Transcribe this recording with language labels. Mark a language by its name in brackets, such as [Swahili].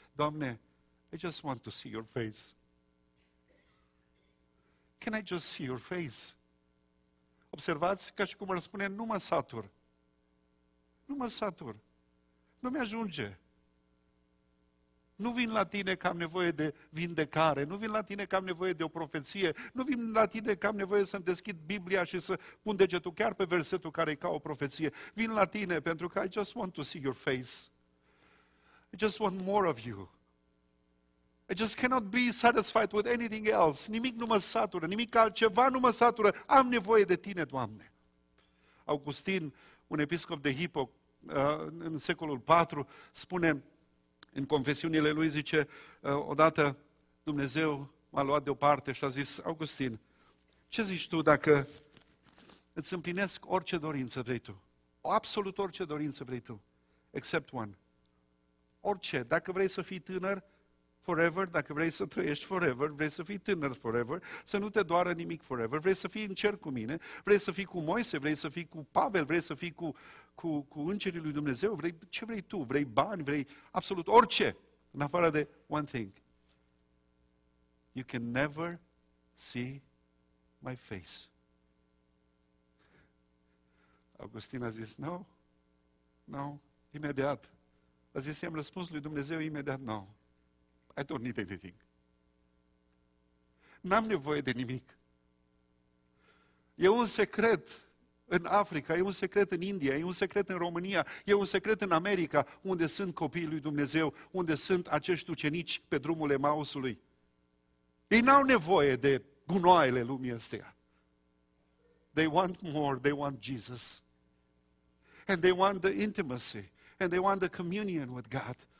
[English] Doamne, I just want to see your face. Can I just see your face? [Romanian] Observați, ca și cum ar spune, nu mă satur. Nu mă satur. Nu mi-ajunge. Nu vin la tine că am nevoie de vindecare. Nu vin la tine că am nevoie de o profeție. Nu vin la tine că am nevoie să-mi deschid Biblia și să pun degetul chiar pe versetul care e ca o profeție. Vin la tine pentru că [English] I just want to see your face. I just want more of you. I just cannot be satisfied with anything else. [Romanian] Nimic nu mă satură, nimic altceva nu mă satură. Am nevoie de tine, Doamne. Augustin, un episcop de Hippo, în secolul 4, spune în confesiunile lui, zice, odată Dumnezeu m-a luat deoparte și a zis, Augustin, ce zici tu dacă îți împlinesc orice dorință vrei tu? Absolut orice dorință vrei tu, [English] except one. [Romanian] Orice, dacă vrei să fii tânăr, forever, dacă vrei să trăiești forever, vrei să fii tânăr forever, să nu te doară nimic forever, vrei să fii în cer cu mine, vrei să fii cu Moise, vrei să fii cu Pavel, vrei să fii cu îngerii lui Dumnezeu, vrei, ce vrei tu? Vrei bani, vrei absolut orice, în afară de [English] one thing. You can never see my face. [Romanian] Augustin a zis, [English] no, no, [Romanian] imediat. A zis, am răspuns lui Dumnezeu imediat, [English] no. I don't need anything. [Romanian] N-am nevoie de nimic. E un secret în Africa, e un secret în India, e un secret în România, e un secret în America, unde sunt copiii lui Dumnezeu, unde sunt acești ucenici pe drumul Emausului. Ei n-au nevoie de gunoaiele lumii astea. [English] They want more, they want Jesus. And they want the intimacy, and they want the communion with God.